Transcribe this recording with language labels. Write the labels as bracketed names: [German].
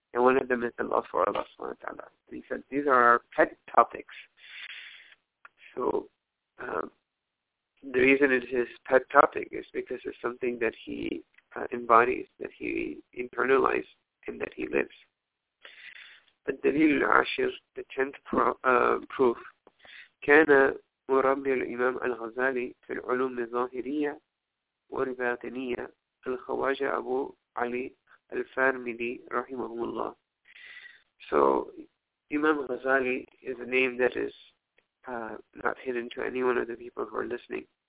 [English] And one of them is the love for Allah subhanahu wa ta'ala. And he said, these are our pet topics. So the reason it is his pet topic is because it's something that he embodies, that he internalized, and that he lives. But Dalil al-Ashir, the 10th proof, [Arabic] كَانَ مُرَبِّي الْإِمَامِ الْغَزَالِي فِي الْعُلُومِ الظَّاهِرِيَّةِ وَالْبَاطِنِيَّةِ الْخَوَاجَ أَبُو عَلِي Al-Farmidi, rahimahumullah. [English] So, Imam Ghazali is a name that is not hidden to any one of the people who are listening.